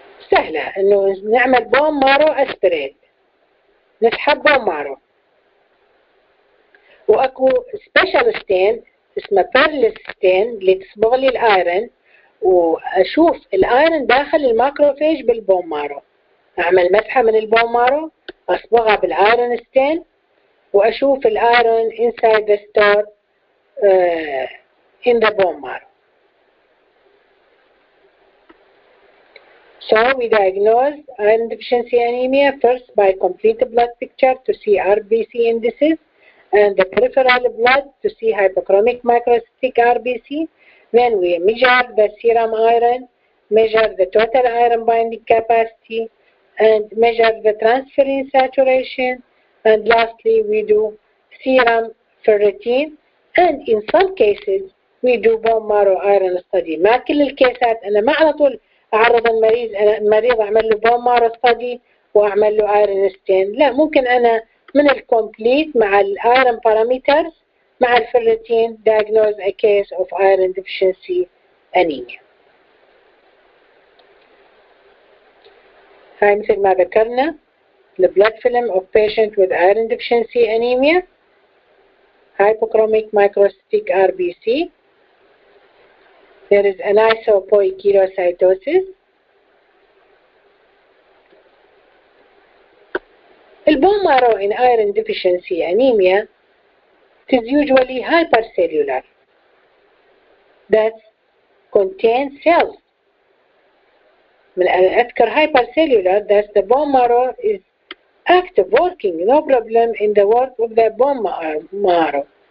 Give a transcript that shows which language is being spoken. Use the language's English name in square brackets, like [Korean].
[Arabic] سهله انه نعمل بون مارو اسبريت نسحب بون مارو واكو سبيشال ستين اسمه بيرلس ستين اللي تصبغ لي الايرن واشوف الايرن داخل الماكروفاج بالبون مارو اعمل مسحه من البون مارو اصبغها بالايرن ستين واشوف الايرن [English] Inside the star in the bone marrow So we diagnose iron deficiency anemia first by complete blood picture to see RBC indices and the peripheral blood to see hypochromic microcytic RBC. Then we measure the serum iron, measure the total iron binding capacity, and measure the transferrin saturation. And lastly, we do serum ferritin. And in some cases, we do bone marrow iron study. [Arabic] ما كل الكيسات أنا ما على طول أعرض المريض أعمل له بون مارو ستادي وأعمل له آيرن ستين لا ممكن أنا من الكمبليت مع الآيرن باراميترز مع الفيرتين دياغنوز [English] a case of iron deficiency anemia [Arabic] هاي مثل ما ذكرنا [English] the blood film of patient with iron deficiency anemia hypochromic microcytic RBC There is an anisopoikilocytosis. The bone marrow in iron deficiency anemia is usually hypercellular. That contains cells. [Arabic] من أذكر [English] hypercellular, that the bone marrow is active, working, no problem in the work of the bone marrow.